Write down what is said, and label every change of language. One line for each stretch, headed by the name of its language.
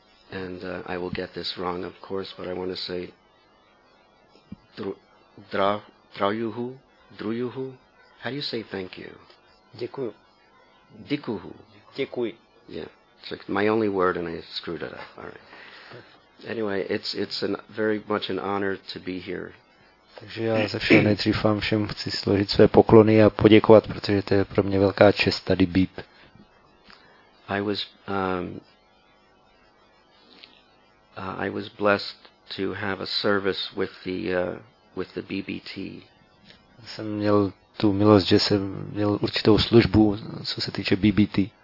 English: And I will get this wrong, of course, but I want to say Drayuhu, Druyuhu, How do you say thank you?
Czech: Děkuju. Děkuju. Děkuji.
English: Yeah, it's like my only word and I screwed it up. All right. Anyway, it's an very much an honor to be here.
Czech: Takže já ze všeho nejdřív vám všem chci složit své poklony a poděkovat, protože to je pro mě velká čest tady být.
English: I was blessed to have a service with the BBT.
Czech: Jsem měl tu milost, že jsem měl určitou službu, co se týče BBT.